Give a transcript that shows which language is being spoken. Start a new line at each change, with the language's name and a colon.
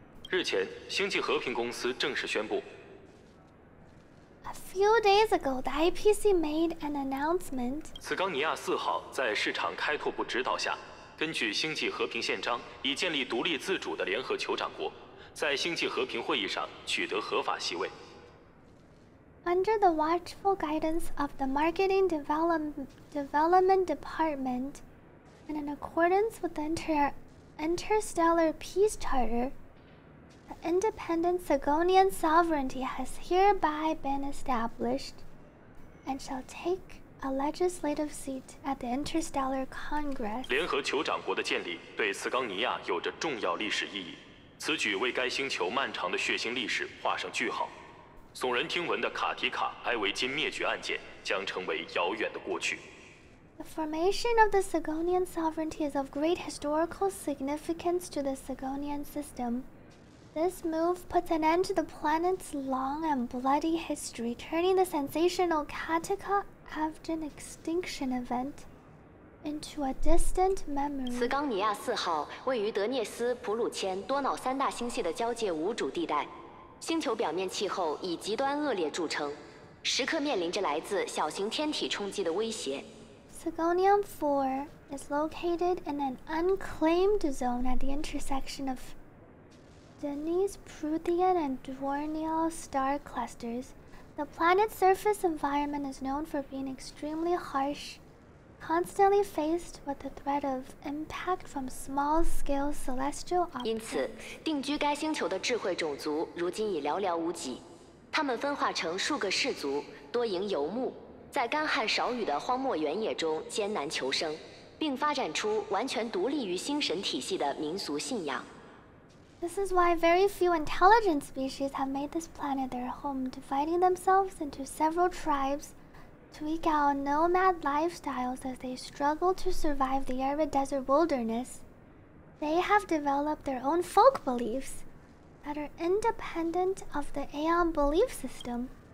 Chinese: 日前，星际和平公司正式宣布。
English: A few days ago, the IPC made an announcement.
Chinese: 此冈尼亚四号在市场开拓部指导下，根据星际和平宪章，已建立独立自主的联合酋长国，在星际和平会议上取得合法席位。
English: Under the watchful guidance of the Marketing Development Department, and in accordance with the Interstellar Peace Charter,The independent Sagonian sovereignty has hereby been established and shall take a legislative seat at the Interstellar Congress.
Chinese: 联合酋长国的建立对茨冈尼亚有着重要历史意义。此举为该星球漫长的血腥历史画上句号。耸人听闻的卡迪卡埃维金灭绝案件将成为遥远的过去。
English: The formation of the Sagonian sovereignty is of great historical significance to the Sagonian system. This move puts an end to the planet's long and bloody history, turning the sensational Kataka Avgen extinction event into a distant memory.
Chinese: 茨冈尼亚四号位于德涅斯、普鲁谦、多瑙三大星系的交界无主地带，星球表面气候以极端恶劣著称，时刻面临着来自小型天体冲击的威胁。
English: Sagonium 4 is located in an unclaimed zone at the intersection ofDenis, Pruthian, and Dwarneal star clusters. The planet's surface environment is known for being extremely harsh, constantly faced with the threat of impact from small-scale celestial objects.
Chinese: 因此，定居该星球的智慧种族如今已寥寥无几。他们分化成数个氏族，多营游牧，在干旱少雨的荒漠原野中艰难求生，并发展出完全独立于星神体系的民俗信仰。
English: This is why very few intelligent species have made this planet their home, dividing themselves into several tribes to eke out nomad lifestyles as they struggle to survive the arid desert wilderness. They have developed their own folk beliefs that are independent of the Aeon belief system.